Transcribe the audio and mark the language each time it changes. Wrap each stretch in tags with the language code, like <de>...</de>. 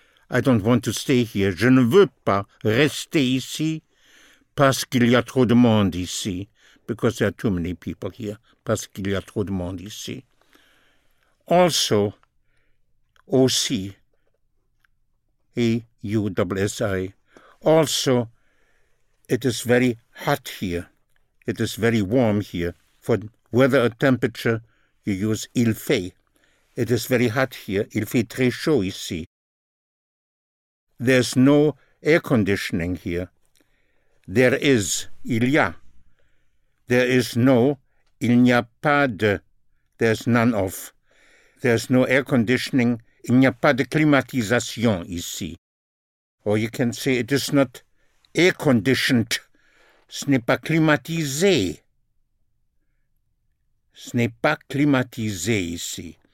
<en>I don't want to stay here.</en> <fr>Je ne veux pas rester ici parce qu'il y a trop de monde ici.</fr> <en>Because there are too many people here.</en> <fr>Parce qu'il y a trop de monde ici.</fr> <en>Also, aussi, A-U-S-S-I, also, it is very hot here. It is very warm here. For weather or temperature, you use</en> <fr>il fait.</fr> <en>It is very hot here.</en> <fr>Il fait très chaud ici.</fr> <en>There's no air conditioning here. There is,</en> <fr>il y a.</fr> <en>There is no,</en> <fr>il n'y a pas de.</fr> <en>There's none of. There's no air conditioning.</en> <fr>Il n'y a pas de climatisation ici.</fr> <en>Or you can say it is not air conditioned.</en> <fr>Ce n'est pas climatisé. Ce n'est pas climatisé ici.</fr>